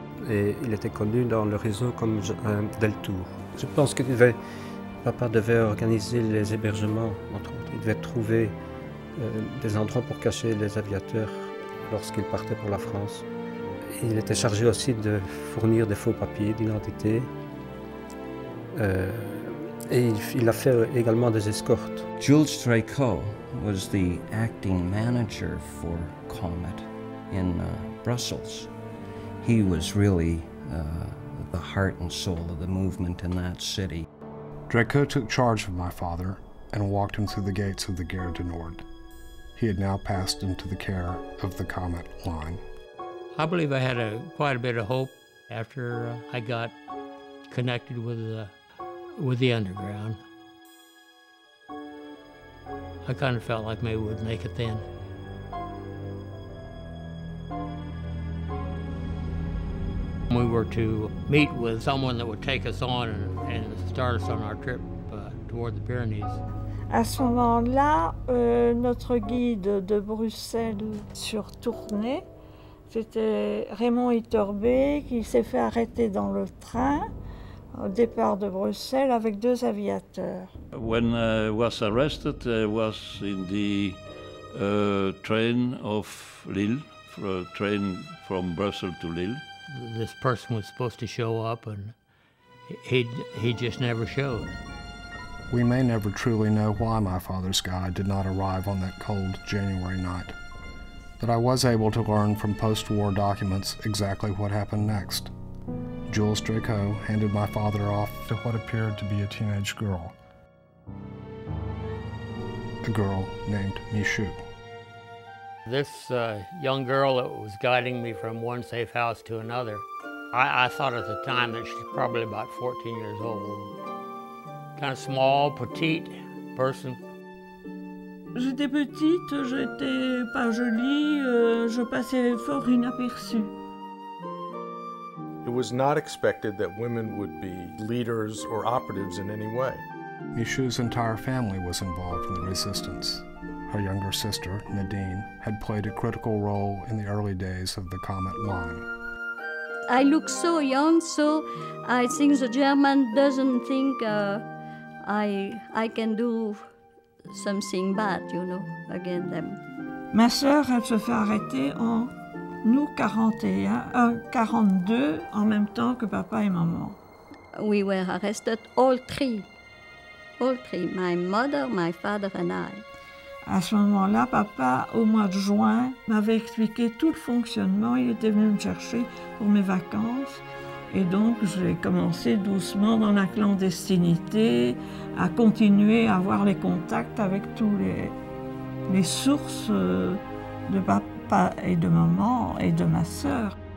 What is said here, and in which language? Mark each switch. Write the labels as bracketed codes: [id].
[fr] Et il était connu dans le réseau comme Del Tour. Je pense que papa devait organiser les hébergements, entre autres. Il devait trouver des endroits pour cacher les aviateurs lorsqu'ils partaient pour la France. Et il était chargé aussi de fournir des faux papiers d'identité. Et il a fait également des escortes. [en] Jules Dricot was the acting manager for Comet in Brussels. He was really the heart and soul of the movement in that city. Draco took charge of my father and walked him through the gates of the Gare du Nord. He had now passed into the care of the Comet line. I believe I had quite a bit of hope after I got connected with the underground. I kind of felt like maybe we'd make it then. We were to meet with someone that would take us on and start us on our trip toward the Pyrenees. [fr] À ce moment-là, notre guide de Bruxelles sur tournée, c'était Raymond Itorbé, qui s'est fait arrêter dans le train au départ de Bruxelles avec deux aviateurs. [en] When I was arrested, I was in the train of Lille, for a train from Brussels to Lille. This person was supposed to show up, and he just never showed. We may never truly know why my father's guide did not arrive on that cold January night, but I was able to learn from post-war documents exactly what happened next. Jules Dricot handed my father off to what appeared to be a teenage girl. A girl named Michou. This young girl that was guiding me from one safe house to another, I thought at the time that she's probably about 14 years old. Kind of small, petite person. [fr] J'étais petite, j'étais pas jolie, je passais fort inaperçue. [en] It was not expected that women would be leaders or operatives in any way. Michou's entire family was involved in the resistance. Her younger sister, Nadine, had played a critical role in the early days of the Comet line. I look so young, so I think the German doesn't think I can do something bad, you know, against them. [fr] Ma sœur, elle se fait arrêter en août 42, en même temps que papa et maman. [en] We were arrested, all three. All three, my mother, my father and I. [fr] À ce moment-là, papa, au mois de juin, m'avait expliqué tout le fonctionnement. Il était venu me chercher pour mes vacances. Et donc, j'ai commencé doucement dans la clandestinité à continuer à avoir les contacts avec tous les sources de papa et de maman et de ma sœur.